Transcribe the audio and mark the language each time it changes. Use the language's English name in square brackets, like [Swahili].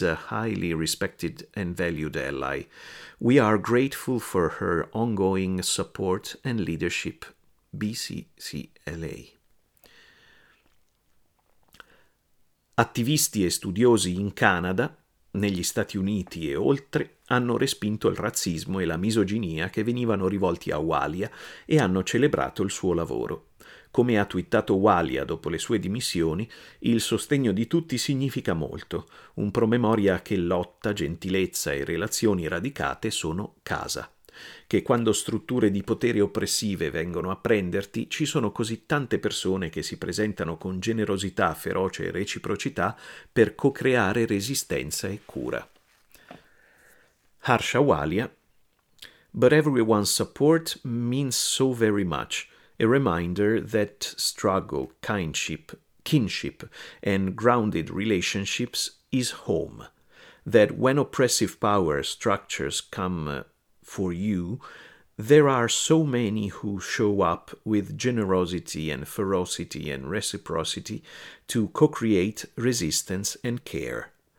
[English] She's a highly respected and valued ally. We are grateful for her ongoing support and leadership. BCCLA. [Italian] Attivisti e studiosi in Canada, negli Stati Uniti e oltre, hanno respinto il razzismo e la misoginia che venivano rivolti a Walia e hanno celebrato il suo lavoro. Come ha twittato Walia dopo le sue dimissioni, il sostegno di tutti significa molto. Un promemoria che lotta, gentilezza e relazioni radicate sono casa. Che quando strutture di potere oppressive vengono a prenderti, ci sono così tante persone che si presentano con generosità, feroce e reciprocità per co-creare resistenza e cura. [English] Harsha Walia: But everyone's support means so very much. A reminder that struggle, kinship, and grounded relationships is home. That when oppressive power structures come for you, there are so many who show up with generosity and ferocity and reciprocity to co-create resistance and care.